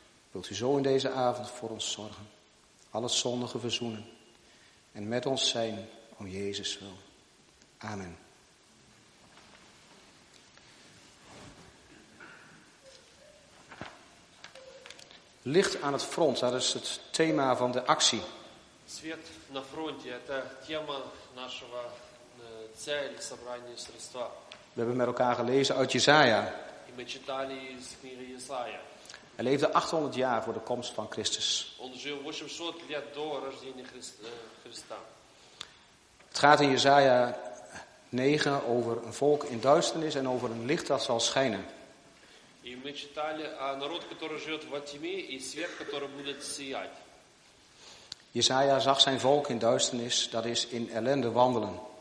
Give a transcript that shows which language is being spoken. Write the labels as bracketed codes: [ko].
[nl] Wilt u zo in deze avond voor ons zorgen, alles zondige verzoenen en met ons zijn om Jezus wil. Amen. Licht aan het front, dat is het thema van de actie. [ru] Свет на фронте – это тема нашего цели собрания средства. [nl] We hebben met elkaar gelezen uit Jesaja. [ru] И мы читали из книги Исаия. [nl] Hij leefde 800 jaar voor de komst van Christus. [ru] Он жил 800 лет до рождения Христа. [nl] Het gaat in Jesaja 9 over een volk in duisternis en over een licht dat zal schijnen. [ru] И мы читали о народ, который живет во тьме, и свет, который будет сиять. [nl] Jesaja zag zijn volk in duisternis, dat is in ellende wandelen.